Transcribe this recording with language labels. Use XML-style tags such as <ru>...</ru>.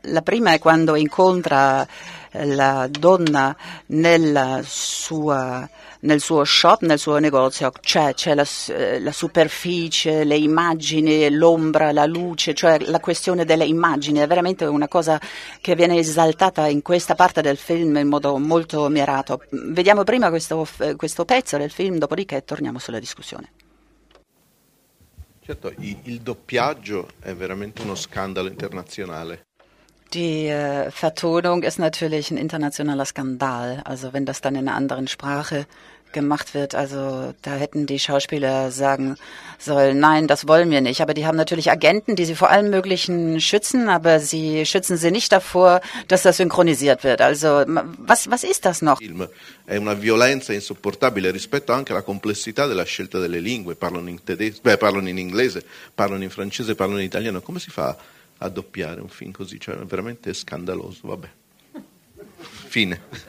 <it>La prima è quando incontra la donna nel suo shop, nel suo negozio, c'è la superficie, le immagini, l'ombra, la luce, cioè la questione delle immagini è veramente una cosa che viene esaltata in questa parte del film in modo molto mirato. Vediamo prima questo pezzo del film, dopodiché torniamo sulla discussione. Certo, il doppiaggio è veramente uno scandalo internazionale.</it> <de>Die Vertonung ist natürlich ein internationaler Skandal, also wenn das dann in einer anderen Sprache gemacht wird, also da hätten die Schauspieler sagen sollen, nein, das wollen wir nicht, aber die haben natürlich Agenten, die sie vor allem möglichen schützen, aber sie schützen sie nicht davor, dass das synchronisiert wird, also was ist das noch?</de> <it>Film è una violenza insopportabile rispetto anche alla complessità della scelta delle lingue, parlano in inglese, parlano in francese, parlano in italiano, come si fa a doppiare un film così, cioè veramente scandaloso, vabbè. Fine.</it>